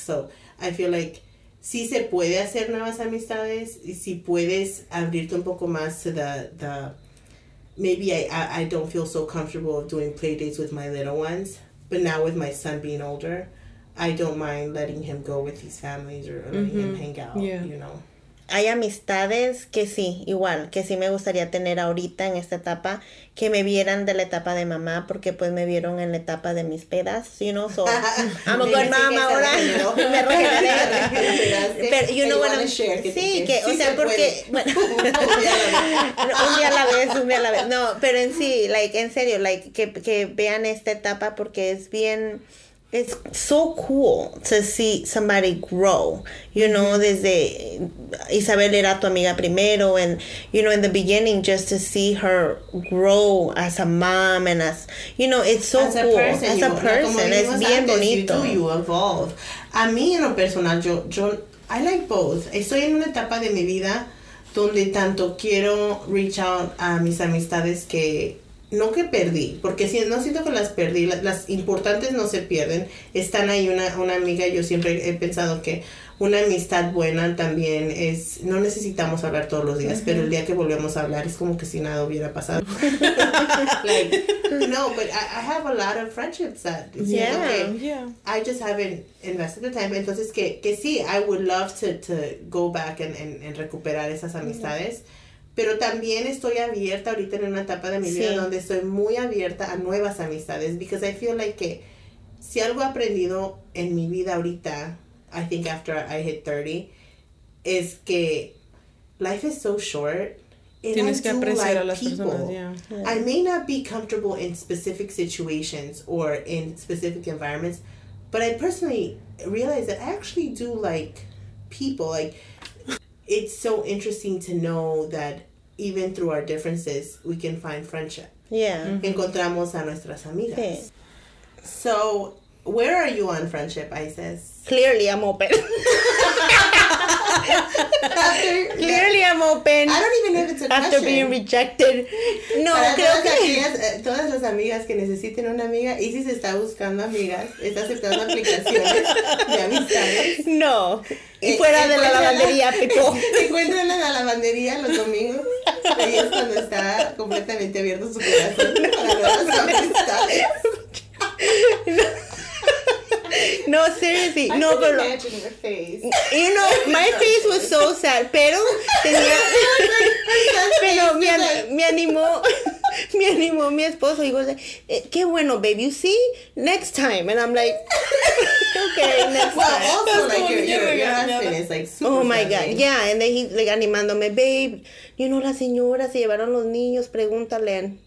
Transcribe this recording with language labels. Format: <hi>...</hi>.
<en>So I feel like</en> <es>si se puede hacer nuevas amistades, y si puedes abrirte un poco más</es> <en>to the maybe I don't feel so comfortable of doing play dates with my little ones, but now with my son being older, I don't mind letting him go with these families or letting him hang out. You know,</en> <es>hay amistades que sí, igual, que sí me gustaría tener ahorita en esta etapa, que me vieran de la etapa de mamá, porque pues me vieron en la etapa de mis pedas,</es> <en>you know, so, I'm a good mom</en> <es>ahora, me regalaré. Pero, you know, bueno, sí, que, o sea, porque, bueno, un día a la vez, no, pero en sí, like, en serio, like, que vean esta etapa, porque es bien...</es> <en>It's so cool to see somebody grow, you know,</en> <es>desde Isabel era tu amiga primero,</es> <en>and, you know, in the beginning, just to see her grow as a mom and as, you know, it's so as cool. As a person, it's</en> <es>bien antes, bonito.</es> <en>You evolve.</en> <es>A mí, en lo personal, yo,</es> <en>I like both.</en> <es>Estoy en una etapa de mi vida donde tanto quiero</es> <en>reach out</en> <es>a mis amistades que... No que perdí, porque si no siento que las perdí, las importantes no se pierden. Están ahí una amiga, yo siempre he pensado que una amistad buena también es... No necesitamos hablar todos los días, pero el día que volvemos a hablar es como que si nada hubiera pasado.</es> <en>Like, no, but I have a lot of friendships that... I just haven't invested the time.</en> <es>Entonces que sí,</es> <en>I would love to go back and</en> <es>recuperar esas amistades.</es> <en>Yeah.</en> <es>Pero también estoy abierta ahorita en una etapa de mi vida donde estoy muy abierta a nuevas amistades.</es> <en>Because I feel like</en> <es>que si algo he aprendido en mi vida ahorita,</es> <en>I think after I hit 30,</en> <es>es que</es> <en>life is so short.</en> <es>Tienes que apreciar a las personas,</es> <en>I may not be comfortable in specific situations or in specific environments, but I personally realize that I actually do like people, like... It's so interesting to know that even through our differences, we can find friendship. Yeah. Mm-hmm.</en> <es>Encontramos a nuestras amigas. Sí.</es> <en>So, where are you on friendship, Isis? Clearly, I'm open. Clearly, I'm open. I don't even know if it's a question. After being rejected. No, creo que...</en> <es>Todas las amigas que necesiten una amiga, Isis está buscando amigas, está aceptando aplicaciones de amistades. No. Y fuera de la lavandería, Pepo. Encuéntrala en la lavandería los domingos. Ahí es cuando está completamente abierto su corazón. Para nuevas amistades.</es> <en>No, seriously. I</en> <es>no,</es> <en>can</en> <es>pero.</es> <en>Imagine</en> <es>lo,</es> <en>your face. You know, my face was so sad.</en> <es>Pero tenía. Pero me animó. me animó mi esposo. Y yo le, qué bueno, babe,</es> <en>you see? Next time. And I'm like, okay, next time. Also, like, you're like, oh my God. Yeah, and then he, like, animándome, babe, you know,</en> <es>la señora se llevaron los niños, pregúntale.</es>